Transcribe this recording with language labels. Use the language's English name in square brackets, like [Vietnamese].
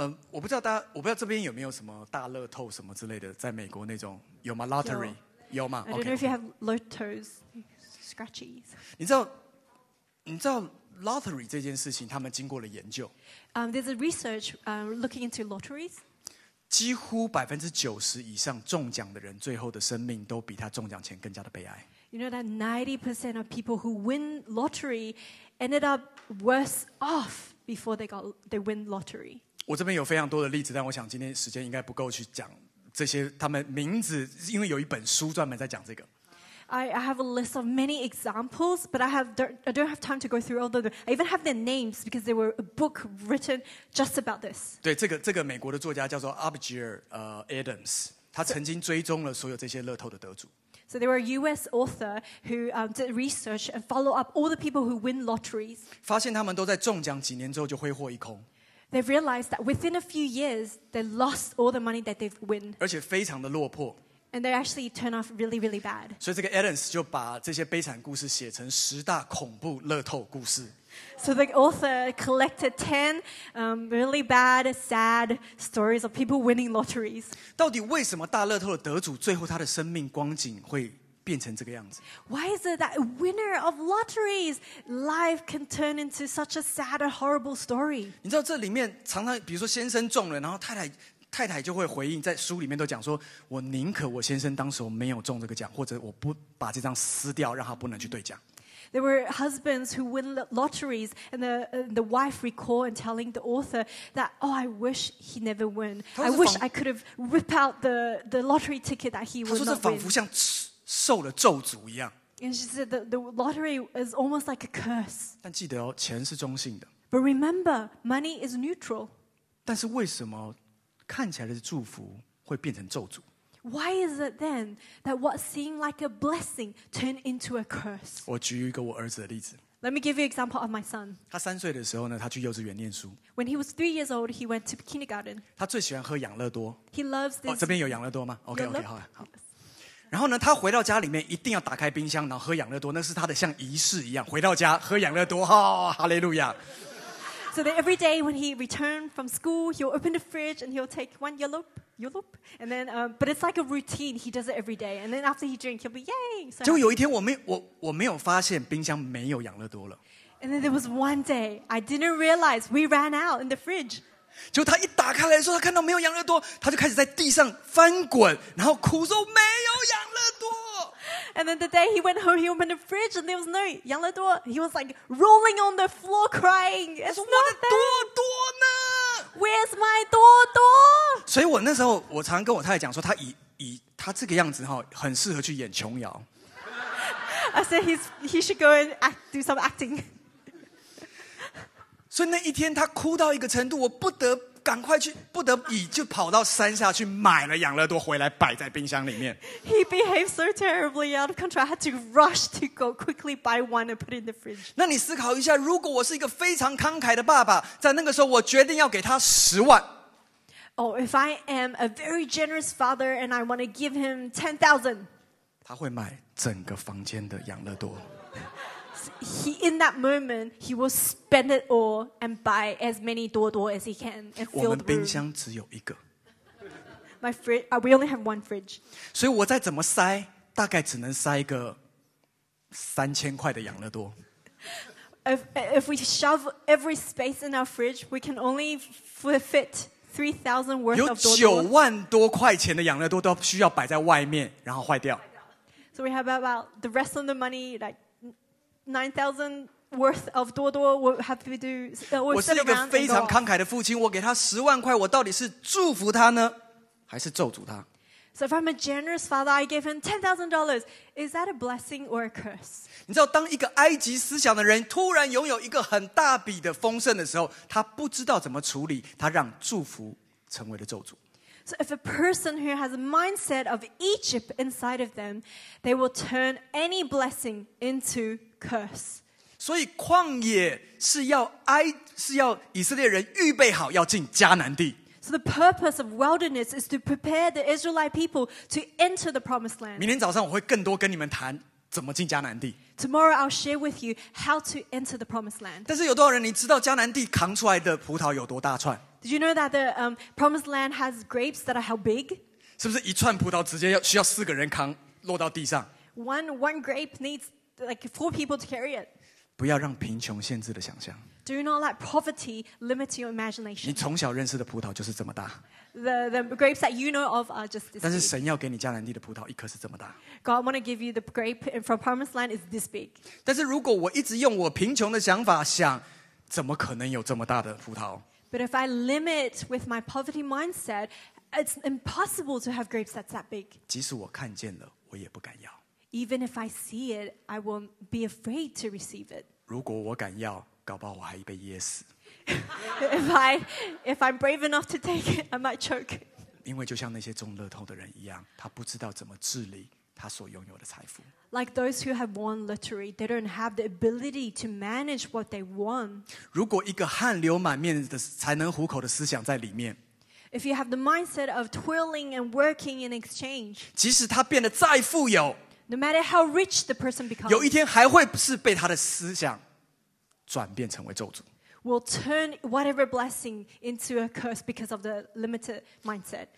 [Chinese] 我不知道大家，我不知道这边有没有什么大乐透什么之类的，在美国那种有吗 ？Lottery 有吗 [English] ？I don't know if you have lotos, scratchies. [Chinese] 你知道 lottery 这件事情，他们经过了研究。 [English] There's a research looking into lotteries. [Chinese] 几乎90%以上中奖的人，最后的生命都比他中奖前更加的悲哀。 [English] You know that 90% of people who win lottery ended up worse off before they win lottery. [Chinese] 我这边有非常多的例子，但我想今天时间应该不够去讲这些他们名字，因为有一本书专门在讲这个。 [English] I have a list of many examples, but I don't have time to go through all of them. I even have their names because there were a book written just about this. [Chinese] 对，这个美国的作家叫做 Abigail Adams， 他曾经追踪了所有这些乐透的得主。 [English] So there were a U.S. author who did research and follow up all the people who win lotteries. [Chinese] 发现他们都在中奖几年之后就挥霍一空。 [English] They realized that within a few years, they lost all the money that they've won. [Chinese] 而且非常的落魄。 [English] And they actually turn off really, really bad. [Chinese] 所以这个 Adams 就把这些悲惨故事写成十大恐怖乐透故事。 [English] So the author collected 10 really bad, sad stories of people winning lotteries. [Chinese] 到底为什么大乐透的得主最后他的生命光景会变成这个样子？ [English] Why is it that a winner of lotteries life can turn into such a sad, horrible story? [Chinese] 你知道这里面常常，比如说先生中了，然后太太就会回应，在书里面都讲说，我宁可我先生当时没有中这个奖，或者我不把这张撕掉，让他不能去兑奖。 [English] There were husbands who win lotteries, and the wife recall and telling the author that, "Oh, I wish he never won. I wish I could have ripped out the lottery ticket that he would not win." [Chinese] 他说这仿佛像受了咒诅一样。 [English] And she said that the lottery is almost like a curse. [Chinese] 但记得哦，钱是中性的。 [English] But remember, money is neutral. [Chinese] 但是为什么看起来的祝福会变成咒诅？ [English] Why is it then that what seemed like a blessing turned into a curse? [Chinese] 我举一个我儿子的例子。 [English] Let me give you an example of my son. [Chinese] 他三岁的时候呢，他去幼稚园念书。 [English] When he was 3 years old, he went to kindergarten. [Chinese] 他最喜欢喝养乐多。 [English] He loves this. [Chinese] 哦，这边有养乐多吗 ？OK, 好。然后呢，他回到家里面一定要打开冰箱，然后喝养乐多，那是他的像仪式一样。回到家喝养乐多，哈，哈利路亚。 [English] So that every day when he returned from school, he'll open the fridge and he'll take one yellow, and then, but it's like a routine. He does it every day, and then after he drinks, he'll be yay. [Chinese] So 结果有一天我没有发现冰箱没有养乐多了。 [English] And then there was one day I didn't realize we ran out in the fridge. [Chinese] 结果他一打开来说他看到没有养乐多，他就开始在地上翻滚，然后哭说没有养乐多。 [English] And then the day he went home, he opened the fridge and there was no 养乐多. He was like rolling on the floor crying. It's not there. [Chinese] 我的多多呢？ [English] Where's my 多多？ [Chinese] 所以我那时候我常跟我太太讲说，他这个样子哈，很适合去演琼瑶。 [English] I said he should go and do some acting. [Chinese] 所以那一天他哭到一个程度，我不得赶快去，不得已就跑到山下去买了养乐多回来摆在冰箱里面。 [English] He behaved so terribly out of control. I had to rush to go quickly buy one and put in the fridge. [Chinese] 那你思考一下，如果我是一个非常慷慨的爸爸，在那个时候我决定要给他10万。 [English] Oh, if I am a very generous father and I want to give him 10,000, [Chinese] 他会买整个房间的养乐多。 [English] He in that moment he will spend it all and buy as many 多多 as he can and fill the room. [Chinese] 我们冰箱只有一个。 [English] My fridge, we only have one fridge. [Chinese] 所以我再怎么塞，大概只能塞一个3000块的养乐多。 [English] If we shove every space in our fridge, we can only fit 3,000 worth of 多多。 [Chinese] 有9万多块钱的养乐多都需要摆在外面，然后坏掉。 [English] So we have about the rest of the money like. 9,000 worth of 多多 will have to do. [Chinese] 我是一个非常慷慨的父亲，我给他十万块，我到底是祝福他呢，还是咒诅他 [English] ？So if I'm a generous father, I give him $10,000. Is that a blessing or a curse? [Chinese] 你知道，当一个埃及思想的人突然拥有一个很大笔的丰盛的时候，他不知道怎么处理，他让祝福成为了咒诅。 [English] So if a person who has a mindset of Egypt inside of them, they will turn any blessing into curse. [Chinese] 所以旷野是要以色列人预备好要进迦南地。 [English] So the purpose of wilderness is to prepare the Israelite people to enter the promised land. [Chinese] 明天早上我会更多跟你们谈怎么进迦南地。 [English] Tomorrow I'll share with you how to enter the promised land. [Chinese] 但是有多少人你知道迦南地扛出来的葡萄有多大串？ [English] Did you know that the promised land has grapes that are how big? [Chinese] 是不是一串葡萄直接需要四个人扛落到地上？ [English] One grape needs like 4 people to carry it. [Chinese] 不要让贫穷限制了想象。 [English] Do not let poverty limit your imagination. [Chinese] 你从小认识的葡萄就是这么大。 [English] The grapes that you know of are just this big. [Chinese] 但是神要给你迦南地的葡萄一颗是这么大。 [English] God want to give you the grape from promised land is this big. [Chinese] 但是如果我一直用我贫穷的想法想，怎么可能有这么大的葡萄？ [English] But if I limit with my poverty mindset, it's impossible to have grapes that's that big. [Chinese] 即使我看见了，我也不敢要。 [English] Even if I see it, I will be afraid to receive it. [Chinese] 如果我敢要，搞不好我还被噎死。 [English] If I'm brave enough to take it, I might choke. [Chinese] 因为就像那些中乐透的人一样，他不知道怎么治理他所拥有的财富。 [English] Like those who have won lottery, they don't have the ability to manage what they won. [Chinese] 如果一个汗流满面的才能糊口的思想在里面， [English] If you have the mindset of toiling and working in exchange, [Chinese] 即使他变得再富有, [English] no matter how rich the person becomes, [Chinese] 有一天还会是被他的思想转变成为咒诅。 [English] Will turn whatever blessing into a curse because of the limited mindset.